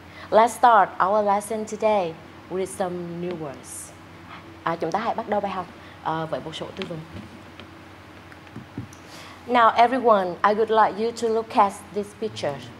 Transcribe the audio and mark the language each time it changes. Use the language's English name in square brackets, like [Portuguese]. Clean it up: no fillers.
[English] Let's start our lesson today with some new words. [Vietnamese] Chúng ta hãy bắt đầu bài học với một số từ vựng. [English] Now everyone, I would like you to look at this picture.